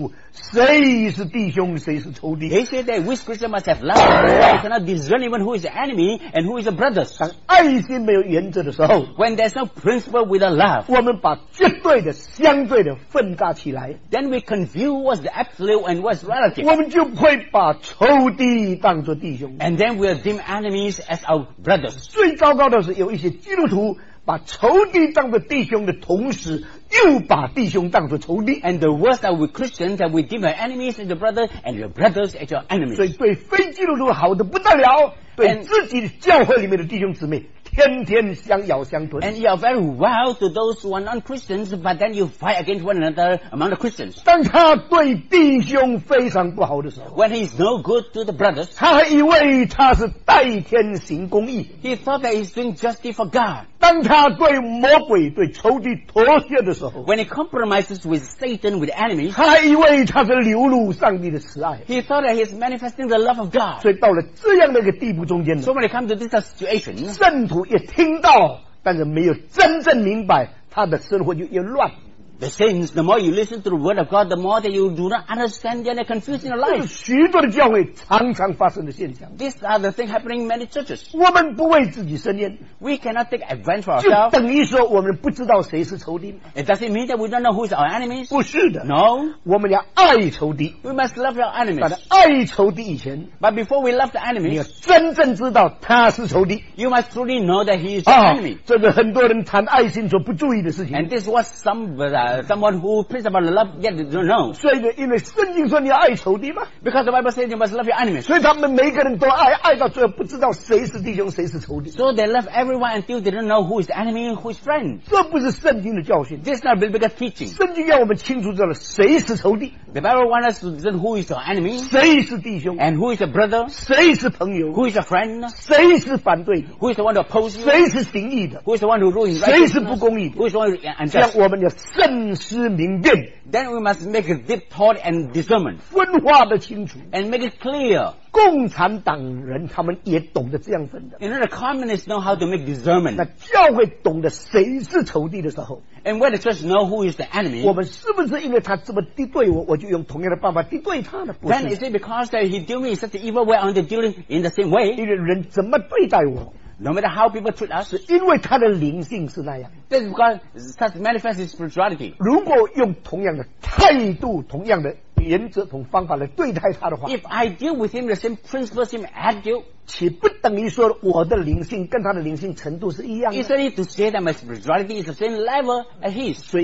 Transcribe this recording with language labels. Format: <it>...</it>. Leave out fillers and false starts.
<zh>基督徒要有爱心,所以结果分不清楚谁是弟兄谁是仇敌.</zh> <en>They say that which Christian must have love, they cannot discern even who is the enemy and who is the brothers.</en> <zh>当爱心没有原则的时候,</zh> <en>when there's no principle with a love,</en> <zh>我们把绝对的相对的分割起来,</zh> <en>then we confuse what's the absolute and what's relative.</en> <zh>我们就会把仇敌当作弟兄,</zh> <en>and then we'll deem enemies as our brothers.</en> <zh>最糟糕的是有一些基督徒, 把仇敌当作弟兄的同时又把弟兄当作仇敌,</zh> <en>and the worst are we Christians that we deem our enemies as your brother and your brothers as your enemies.</en> <zh>所以对非基督徒好得不得了, 对自己教会里面的弟兄姊妹天天相咬相吞,</zh> <en>and you are very well to those who are non-Christians, but then you fight against one another among the Christians.</en> <zh>当他对弟兄非常不好的时候,</zh> <en>when he is no good to the brothers,</en> <zh>他以为他是代天行公义,</zh> <en>he thought that he is doing justice for God.</en> <zh>当他对魔鬼对仇敌妥协的时候,</zh> <en>when he compromises with Satan with enemies,</en> <zh>他以为他是流露上帝的慈爱,</zh> <en>he thought that he is manifesting the love of God.</en> <zh>所以到了这样的一个地步中间呢,</zh> <en>so when it comes to this situation,</en> <zh>圣徒也听到, 但是没有真正明白他的生活就越乱,</zh> <en>the saints, the more you listen to the word of God, the more that you do not understand, then they're confused in your life.</en> <zh>这是许多的教会常常发生的现象,</zh> <en>these are the things happening in many churches.</en> <zh>我们不为自己伸冤,</zh> <en>we cannot take advantage for ourselves,</en> <zh>就等于说我们不知道谁是仇敌,</zh> <en>it doesn't mean that we don't know who is our enemies.</en> <zh>不是的,</zh> <en>no,</en> <zh>我们要爱仇敌,</zh> <en>we must love our enemies.</en> <zh>但爱仇敌以前,</zh> <en>but before we love the enemies,</en> <zh>你要真正知道他是仇敌,</zh> <en>you must truly know that he is your enemy.</en> <zh>这是很多人谈爱心所不注意的事情,</zh> <en>and this was some someone who preaches about love yet don't know.</en> <zh>所以因为圣经说你要爱仇敌吗?</zh> <en>Because the Bible says you must love your enemies.</en> <zh>所以他们每个人都爱,爱到最后不知道谁是弟兄,谁是仇敌。</zh> <en>So they love everyone until they don't know who is the enemy and who is friend.</en> <zh>这不是圣经的教训,</zh> <en>this is not biblical teaching.</en> <zh>圣经要我们清楚知道谁是仇敌,</zh> <en>the Bible wants us to know who is your enemy,</en> <zh>谁是弟兄,</zh> <en>and who is a brother,</en> <zh>谁是朋友,</zh> <en>who is a friend,</en> <zh>谁是反对,</zh> <en>who is the one to oppose you,</en> <zh>谁是行义的,</zh> <en>who is the one who ruins right,</en> <zh>谁是不公义的,</zh> <en>who is the one who unjust.</en> <zh>这样我们要慎思明辨,</zh> <en>then we must make a deep thought and discernment,</en> <zh>分化得清楚,</zh> <en>and make it clear.</en> <zh>共产党人他们也懂得这样分的,</zh> <en>you know, the communists know how to make discernment.</en> <zh>那教会懂得谁是仇敌的时候,</zh> <en>and when the church know who is the enemy,</en> <zh>我们是不是因为他这么敌对我, 我就用同样的办法敌对他呢?</zh> <en>Then is it because that he deal me in such an evil way, I want to deal him in the same way?</en> <zh>因为人怎么对待我,</zh> <en>no matter how people treat us,</en> <zh>是因为他的灵性是那样,</zh> <en>that's because such manifests his spirituality.</en> <zh>如果用同样的态度同样的原则同方法来对待他的话,</zh> <en>if I deal with him the same principle, same attitude,</en> <zh>岂不等于说我的灵性跟他的灵性程度是一样的?</zh> <en>Isn't it to say that my spirituality is the same level as his?</en>